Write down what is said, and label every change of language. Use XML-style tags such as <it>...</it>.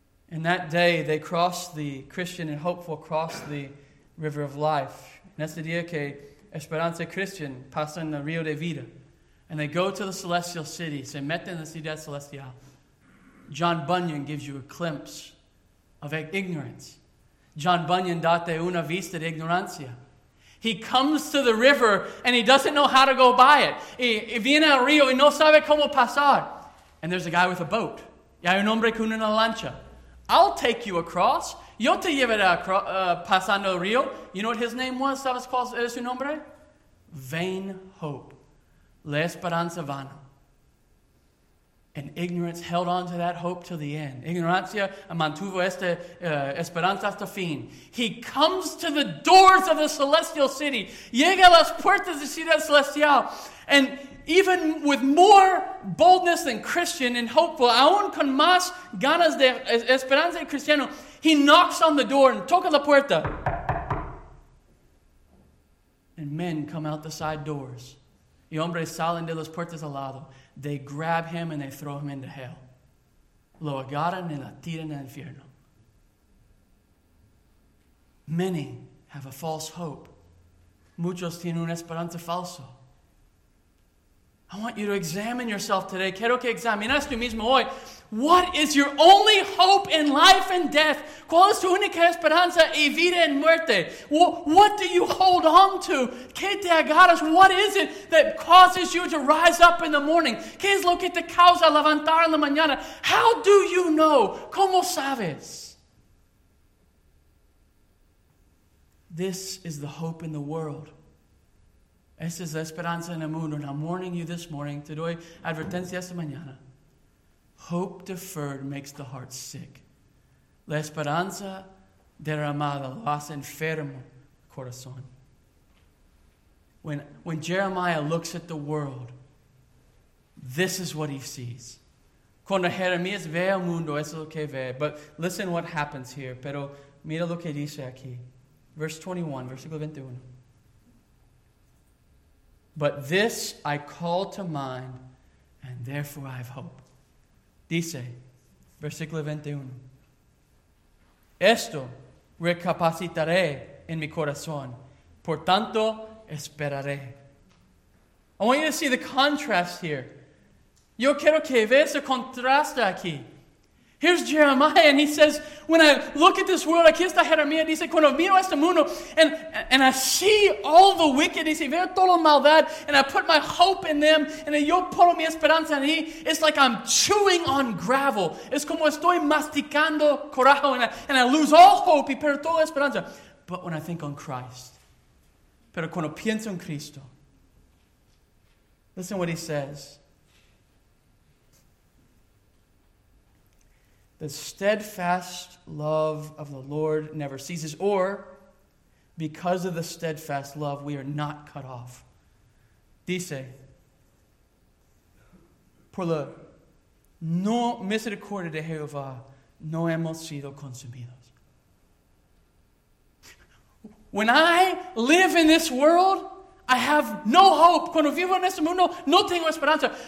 <en>In that day, they crossed the Christian and Hopeful crossed the river of life.</en> <es>En este día que Esperanza y Christian pasan el río de vida.</es> <en>And they go to the celestial city.</en> <es>Se meten en la ciudad celestial.</es> <en>John Bunyan gives you a glimpse of ignorance.</en> <es>John Bunyan date una vista de ignorancia.</es> <en>He comes to the river and he doesn't know how to go by it.</en> <es>Y viene al río y no sabe cómo pasar.</es> <en>And there's a guy with a boat.</en> <es>Y hay un hombre con una lancha.</es> <en>I'll take you across.</en> <es>Yo te llevaré pasando el río.</es> <en>You know what his name was?</en> <es>¿Sabes cuál era su nombre?</es> <en>Vain hope.</en> <es>La esperanza vana.</es> <en>And ignorance held on to that hope till the end.</en> <es>Ignorancia mantuvo esta esperanza hasta fin.</es> <en>He comes to the doors of the celestial city.</en> <es>Llega a las puertas de ciudad celestial.</es> <en>And even with more boldness than Christian and Hopeful,</en> <es>aún con más ganas de esperanza y cristiano,</es> <en>he knocks on the door and</en> <es>toca la puerta.</es> <en>And men come out the side doors.</en> <es>Y hombres salen de las puertas al lado.</es> <en>They grab him and they throw him into hell.</en> <es>Lo agarran y la tiran al infierno.</es> <en>Many have a false hope.</en> <es>Muchos tienen una esperanza falsa.</es> <en>I want you to examine yourself today.</en> <es>Quiero que examines tú mismo hoy.</es> <en>What is your only hope in life and death?</en> <es>¿Cuál es tu única esperanza y vida en muerte?</es> <en>What do you hold on to?</en> <es>¿Qué te agarras?</es> <en>What is it that causes you to rise up in the morning?</en> <es>¿Qué es lo que te causa levantar en la mañana?</es> <en>How do you know?</en> <es>¿Cómo sabes?</es> <en>This is the hope in the world.</en> <es>Esta es la esperanza en el mundo.</es> <en>And I'm warning you this morning.</en> <es>Te doy advertencia esta mañana.</es> <en>Hope deferred makes the heart sick.</en> <es>La esperanza derramada lo hace enfermo el corazón.</es> <en>When Jeremiah looks at the world, this is what he sees.</en> <es>Cuando Jeremías ve el mundo, eso es lo que ve.</es> <en>But listen what happens here.</en> <es>Pero mira lo que dice aquí.</es> <en>Verse 21,</en> <es>versículo 21.</es> <en>But this I call to mind, and therefore I have hope.</en> <es>Dice, versículo 21. Esto recapacitaré en mi corazón, por tanto esperaré.</es> <en>I want you to see the contrast here.</en> <es>Yo quiero que veas el contraste aquí.</es> <en>Here's Jeremiah, and he says, when I look at this world,</en> <es>aquí está Jeremías, dice, cuando miro este mundo,</es> <en>and I see all the wicked,</en> <es>dice, veo toda la maldad,</es> <en>and I put my hope in them, and</en> <es>yo pongo mi esperanza en ahí,</es> <en>it's like I'm chewing on gravel.</en> <es>Es como estoy masticando corajo,</es> <en>and I lose all hope,</en> <es>y pierdo toda esperanza.</es> <en>But when I think on Christ,</en> <es>pero cuando pienso en Cristo,</es> <en>listen what he says. The steadfast love of the Lord never ceases, or because of the steadfast love, we are not cut off.</en> <es>Dice, por la no misericordia de Jehová, no hemos sido consumidos.</es> <en>When I live in this world, I have no hope.</en> <es>Cuando vivo en este mundo, no tengo esperanza.</es>